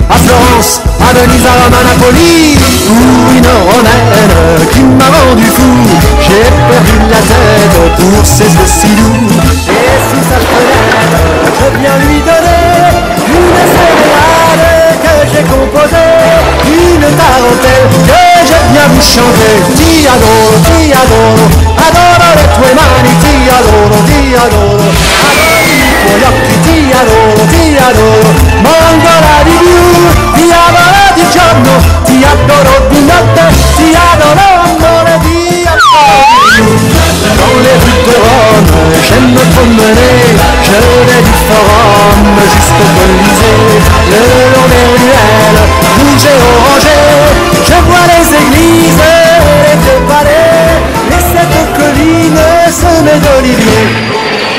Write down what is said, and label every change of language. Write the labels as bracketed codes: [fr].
[fr] À Florence, à Venise, à Rome, à Napoli, pour une romaine qui m'a rendu fou, j'ai perdu la tête pour ses yeux si doux. Et si ça te plaît, je viens lui donner une sérénade que j'ai composée, une tarentelle que je viens vous chanter. [it] Ti adoro, ti adoro, adoro le tue mani, ti adoro, ti adoro, adoro i tuoi occhi, ti adoro, ti adoro. Ma ancora di più, ti adoro di giorno, ti adoro di notte, ti adoro amore, ti adoro. [fr] Dans les rues de Rome, j'aime me promener, je vais du Forum jusqu'au Colisée, le long des ruelles, rouge et orangé, je vois les églises, les deux palais, les sept collines semées d'oliviers.